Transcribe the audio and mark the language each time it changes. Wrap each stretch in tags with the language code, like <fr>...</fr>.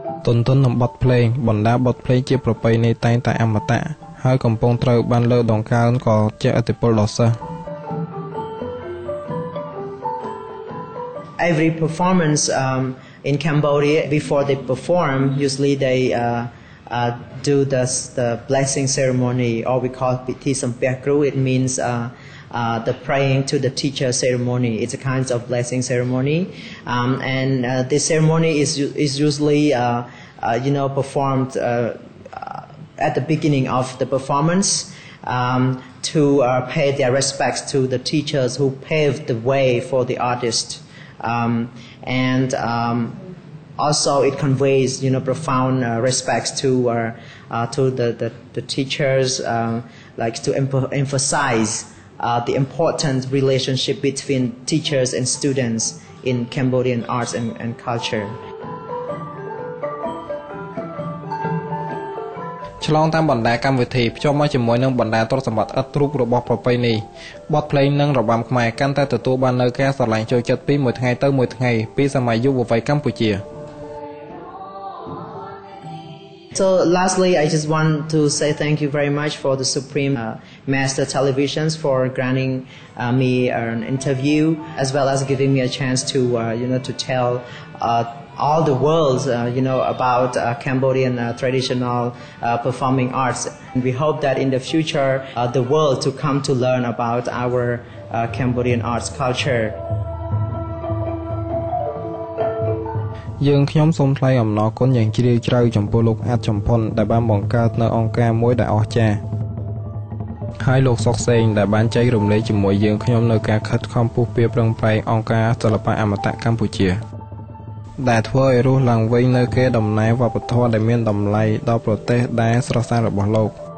<km>ទន្ទឹមនឹងបទភ្លេងបណ្ដាបទភ្លេងជាប្រពៃណីតែងតែអមតៈហើយកំពុងត្រូវបានលើកដង្កើងក៏ជាឥទ្ធិពលដ៏សិស្ស</km> <en>Every performance in Cambodia before they perform, usually they do the blessing ceremony, or we call Piti Sampeak Kru. It means the praying to the teacher ceremony. It's a kind of blessing ceremony, and this ceremony is usually performed at the beginning of the performance to pay their respects to the teachers who paved the way for the artist, also it conveys profound respects to the teachers, like to emphasize the important relationship between teachers and students in Cambodian arts and culture.</en> <km>ឆ្លងតាមបណ្ដាកម្មវិធីភ្ជាប់មកជាមួយនឹងបណ្ដាទ្រព្យសម្បត្តិឥតរូបរបស់ប្រពៃណីបទភ្លេងនិងរបាំខ្មែរកាន់តែទទួលបាននូវការស្រឡាញ់ចូលចិត្តពីមួយថ្ងៃទៅមួយថ្ងៃពីសម័យយុវវ័យកម្ពុជា</km> <en>So lastly, I just want to say thank you very much for the Supreme Master Televisions for granting me an interview, as well as giving me a chance to to tell all the world about Cambodian traditional performing arts. And we hope that in the future, the world to come to learn about our Cambodian arts culture.</en> <km>យើងខ្ញុំសូមថ្លែងអំណរគុណយ៉ាងជ្រាលជ្រៅចំពោះលោកអាត់ចំផុនដែលបានបង្កើតនៅអង្គការមួយដែលអស្ចារ្យហើយលោកសុកសេងដែលបានចែករំលែកជាមួយយើងខ្ញុំនៅការខិតខំពុះពៀប្រឹងប្រែងអង្គការសិល្បៈអមតៈកម្ពុជាដែលធ្វើឲ្យរស់ឡើងវិញនៅកេរដំណែលវប្បធម៌ដែលមានតម្លៃដល់ប្រទេសដែរស្រស់ស្អាតរបស់លោក</km>